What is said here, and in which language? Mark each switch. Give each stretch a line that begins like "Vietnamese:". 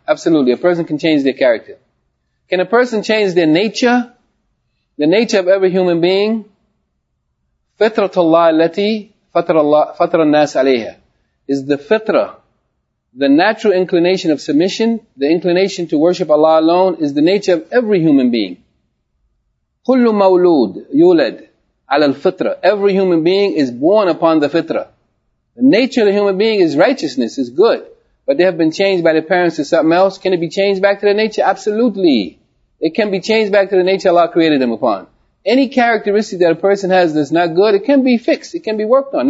English: Absolutely. A person can change their character. Can a person change their nature? The nature of every human being?
Arabic: Fitratullah التي فطر الناس عليها.
English: Is the fitrah, the natural inclination of submission, the inclination to worship Allah alone, is the nature of every human being.
Arabic: كل مولود يولد على الفطرة.
English: Every human being is born upon the fitrah. The nature of the human being is righteousness, is good. But they have been changed by their parents to something else. Can it be changed back to their nature? Absolutely. It can be changed back to the nature Allah created them upon. Any characteristic that a person has that's not good, it can be fixed. It can be worked on.